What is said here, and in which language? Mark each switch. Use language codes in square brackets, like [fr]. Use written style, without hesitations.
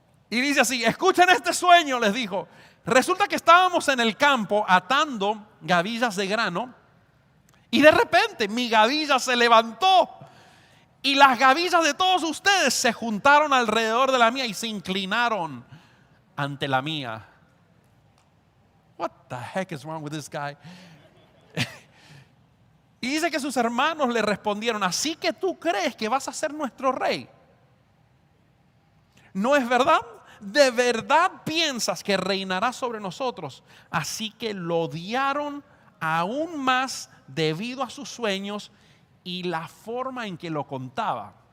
[es] Y dice así, escuchen este sueño, les dijo. Resulta que estábamos en el campo atando gavillas de grano y de repente mi gavilla se levantó y las gavillas de todos ustedes se juntaron alrededor de la mía y se inclinaron ante la mía. [en] What the heck is wrong with this guy? [es] Y dice que sus hermanos le respondieron, así que tú crees que vas a ser nuestro rey. ¿No es verdad? De verdad piensas que reinará sobre nosotros. Así que lo odiaron aún más debido a sus sueños y la forma en que lo contaba.